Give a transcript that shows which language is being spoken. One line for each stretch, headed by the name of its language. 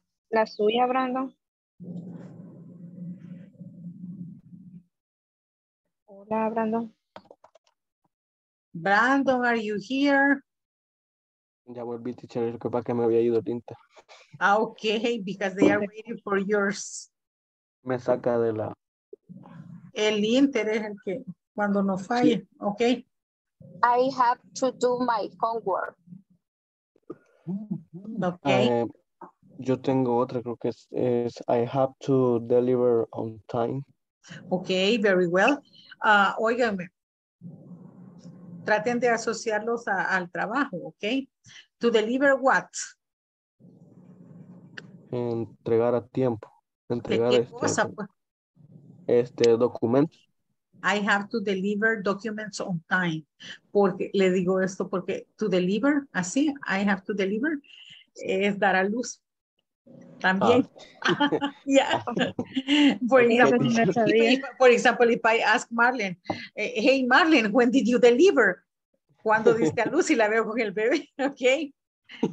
Spanish: La suya, Brandon. Hola, Brandon.
English: Brandon, are you here?
Spanish: Ya volví, teacher, lo que pasa que me había ido tinta.
English: Ah, okay, because they are waiting for yours.
Spanish: Me saca de la... El inter es el que, cuando no falla, sí.
English: Okay. I have to do my homework. Okay.
Spanish: Yo tengo otra, creo que es
English: I have to deliver on time. Okay, very well.
Spanish: Óigame. Traten de asociarlos al trabajo,
English: okay? To deliver what?
Spanish: Entregar a tiempo. Entregar ¿qué cosa, pues? Documentos.
English: I have to deliver documents on time.
Spanish: Porque le digo esto porque
English: to deliver,
Spanish: así,
English: I have to deliver,
Spanish: es dar a luz. También.
English: Ah. Yeah. For example, if I ask Marlene, hey Marlene, when did you deliver?
Spanish: Cuando diste a luz y la veo con el bebé, ok.